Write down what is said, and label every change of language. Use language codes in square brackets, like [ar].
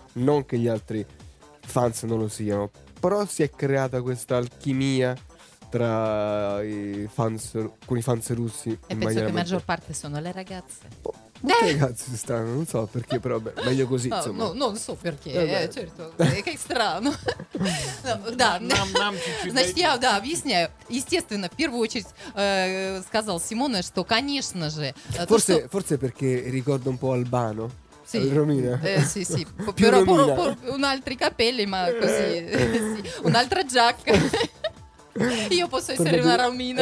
[it] Non che gli altri fans non lo siano. Però si è creata questa alchimia tra i fans, con i fans russi. E penso che la maggior parte sono le ragazze. Molte ragazze, strano, non so perché, però beh, meglio così, no, insomma. No, non so perché, certo, che strano. [ru] Значит, я, да, объясняю. Естественно, в первую очередь сказал Симона, что, конечно же... [it] Forse perché ricordo un po' Albano. Sì, sì, sì. Però un altro capelli, ma così, sì. Un'altra giacca. Io posso essere una romina.